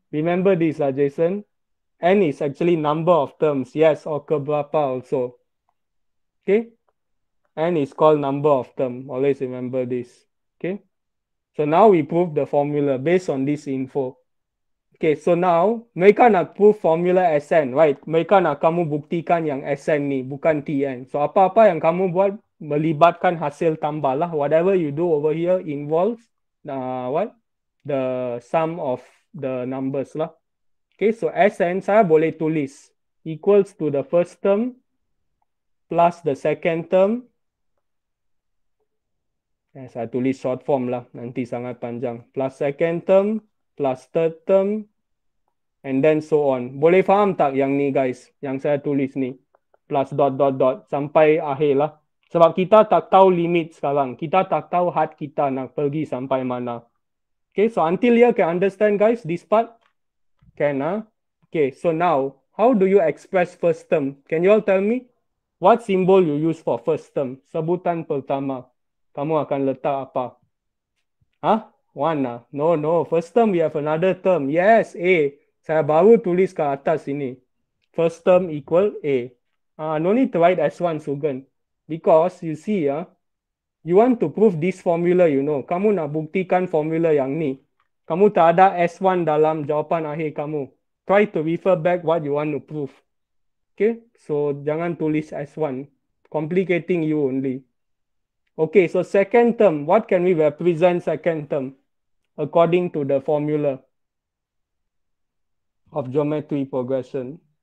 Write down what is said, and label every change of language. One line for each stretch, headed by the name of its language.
English: Remember this, Jason. N is actually number of terms. Yes, or
Malay: keberapa
English: also. Okay? N is called number of terms. Always remember this. Okay? So now we prove the formula based on this info. Okay, so now,
Malay: mereka nak
English: prove formula Sn, right?
Malay: Mereka nak kamu buktikan yang Sn ni, bukan Tn. So, apa-apa yang kamu buat, melibatkan hasil tambah lah.
English: Whatever you do over here involves the sum of the numbers lah. Okay, so Sn,
Malay: saya boleh tulis
English: equals to the first term plus the second term.
Malay: Saya tulis
English: short form
Malay: lah, nanti sangat panjang.
English: Plus second term. Plus third term, and then so on.
Malay: Boleh faham tak yang ni guys, yang saya tulis ni?
English: Plus dot dot dot,
Malay: sampai akhir lah. Sebab kita tak tahu limit sekarang. Kita tak tahu had kita nak pergi sampai mana.
English: Okay, so until here, can understand guys, this part? Can ah? Okay, so now, how do you express first term? Can you all tell me? What symbol you use for first term?
Malay: Sebutan pertama. Kamu akan letak apa? Hah? One lah.
English: No, no. First term, we have another term. Yes, A.
Malay: Saya baru tulis ke atas ini.
English: First term equal A. No need to write S1, Sugen. Because, you see, you want to prove this formula, you know.
Malay: Kamu nak buktikan formula yang ni. Kamu tak ada S1 dalam jawapan akhir kamu.
English: Try to refer back what you want to prove. Okay? So,
Malay: jangan tulis S1.
English: Complicating you only. Okay, so second term, what can we represent second term according to the formula of geometry progression?